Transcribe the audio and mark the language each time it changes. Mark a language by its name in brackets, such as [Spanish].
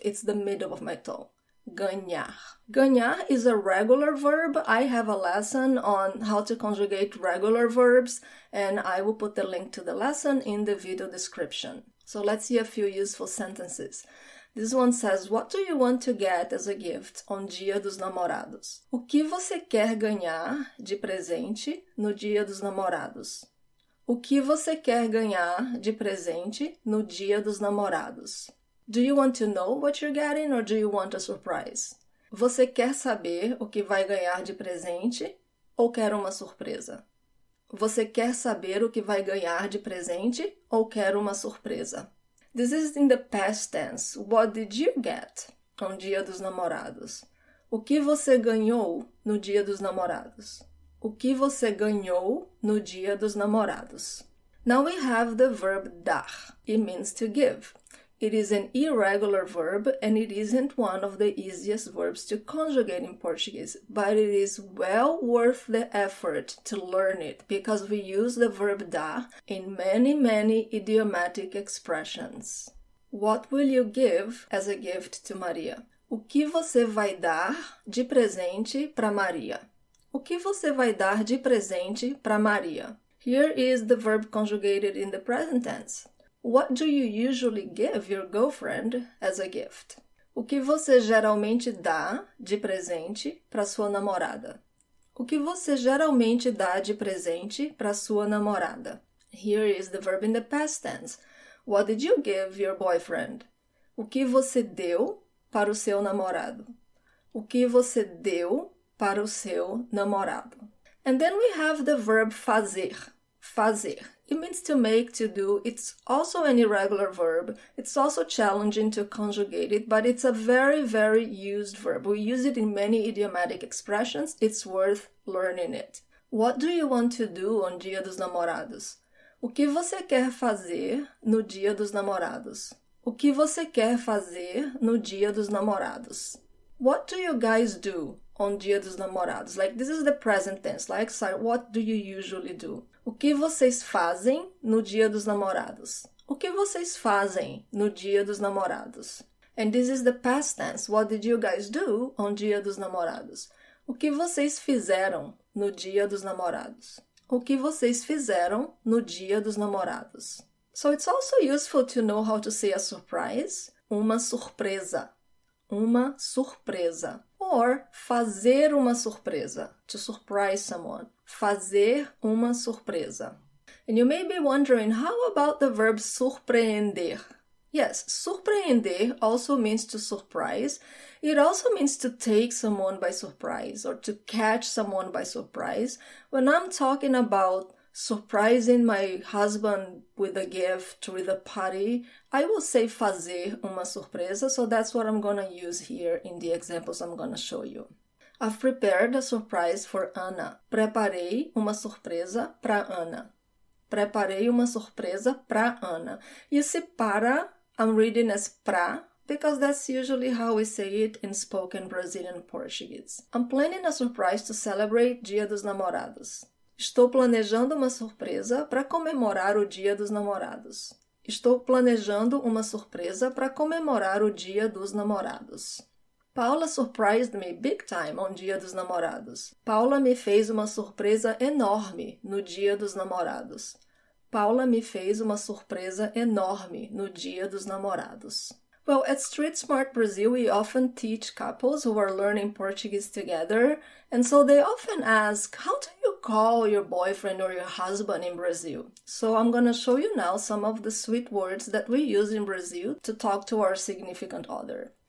[English] It's the middle of my tongue. Ganhar. Ganhar is a regular verb. I have a lesson on how to conjugate regular verbs, and I will put the link to the lesson in the video description. So let's see a few useful sentences. This one says, what do you want to get as a gift on Dia dos Namorados? [Portuguese] O que você quer ganhar de presente no Dia dos Namorados? O que você quer ganhar de presente no Dia dos Namorados? [English] Do you want to know what you're getting or do you want a surprise? [Portuguese] Você quer saber o que vai ganhar de presente ou quer uma surpresa? Você quer saber o que vai ganhar de presente ou quer uma surpresa? [English] This is in the past tense. What did you get on Dia dos Namorados? [Portuguese] O que você ganhou no Dia dos Namorados? O que você ganhou no Dia dos Namorados? [English] Now we have the verb dar. It means to give. It is an irregular verb and it isn't one of the easiest verbs to conjugate in Portuguese, but it is well worth the effort to learn it because we use the verb dar in many, many idiomatic expressions. What will you give as a gift to Maria? [Portuguese] O que você vai dar de presente para Maria? O que você vai dar de presente para Maria? [English] Here is the verb conjugated in the present tense. What do you usually give your girlfriend as a gift? [Portuguese] O que você geralmente dá de presente para sua namorada? O que você geralmente dá de presente para sua namorada? [English] Here is the verb in the past tense. What did you give your boyfriend? [Portuguese] O que você deu para o seu namorado? O que você deu para o seu namorado? [English] And then we have the verb fazer. Fazer. It means to make, to do. It's also an irregular verb. It's also challenging to conjugate it, but it's a very, very used verb. We use it in many idiomatic expressions. It's worth learning it. What do you want to do on Dia dos Namorados? [Portuguese] O que você quer fazer no Dia dos Namorados? O que você quer fazer no Dia dos Namorados? [English] What do you guys do on Dia dos Namorados? Like, this is the present tense. Like, so what do you usually do? [Portuguese] O que vocês fazem no Dia dos Namorados? O que vocês fazem no Dia dos Namorados? [English] And this is the past tense. What did you guys do on Dia dos Namorados? [Portuguese] O que vocês fizeram no Dia dos Namorados? O que vocês fizeram no Dia dos Namorados? [English] So it's also useful to know how to say a surprise. [Portuguese] Uma surpresa. Uma surpresa. [English] Or [Portuguese] fazer uma surpresa. [English] To surprise someone. [Portuguese] Fazer uma surpresa. [English] And you may be wondering, how about the verb surpreender? Yes, surpreender also means to surprise. It also means to take someone by surprise or to catch someone by surprise. When I'm talking about surprising my husband with a gift, with a party, I will say [Portuguese] fazer uma surpresa. [English] So that's what I'm gonna use here in the examples I'm gonna show you. I've prepared a surprise for Ana. [Portuguese] Preparei uma surpresa para Ana. Preparei uma surpresa para Ana. [English] You see, para, I'm reading as pra, because that's usually how we say it in spoken Brazilian Portuguese. I'm planning a surprise to celebrate Dia dos Namorados. [Portuguese] Estou planejando uma surpresa para comemorar o Dia dos Namorados. Estou planejando uma surpresa para comemorar o Dia dos Namorados. [English] Paula surprised me big time on Dia dos Namorados. [Portuguese] Paula me fez uma surpresa enorme no Dia dos Namorados. Paula me fez uma surpresa enorme no Dia dos Namorados. [English] Well, at Street Smart Brazil, we often teach couples who are learning Portuguese together, and so they often ask, how do you call your boyfriend or your husband in Brazil? So I'm gonna show you now some of the sweet words that we use in Brazil to talk to our significant other.